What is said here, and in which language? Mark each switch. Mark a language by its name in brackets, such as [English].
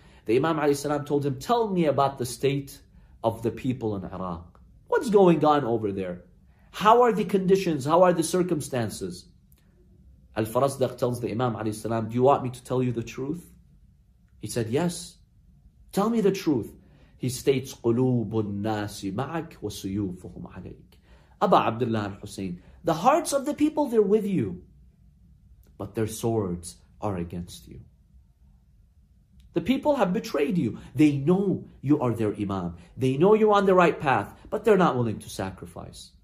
[English] The Imam alayhi salam told him, tell me about the state of the people in Iraq. What's going on over there? How are the conditions? How are the circumstances? Al-Farazdaq tells the Imam alayhi salam, do you want me to tell you the truth? He said, yes. Tell me the truth. He states, [Arabic] قلوب الناس معك وسيوفهم عليك. [English] Aba Abdullah al-Hussein, the hearts of the people, they're with you, but their swords are against you. The people have betrayed you. They know you are their imam. They know you're on the right path, but they're not willing to sacrifice.